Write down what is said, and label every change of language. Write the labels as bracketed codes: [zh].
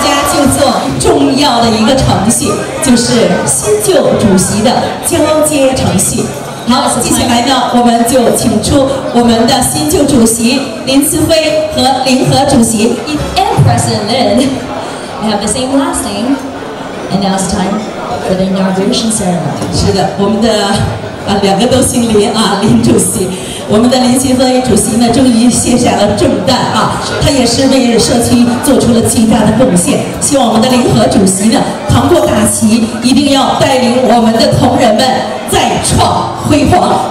[zh] 程序，就是新旧主席的交接程序。好，接下来呢，我们就请出我们的新旧主席林思辉和林和主席。 [en] And President Lin, they have the same last name. And now it's time for the inauguration ceremony. [zh] 是的，我们的啊，两个都姓林啊，林主席。我们的林思辉主席呢，终于卸下了重担啊，他也是为社区做出了巨大的贡献。希望我们的林和主席呢，扛过大旗，一定要带领我们的同仁们再创辉煌。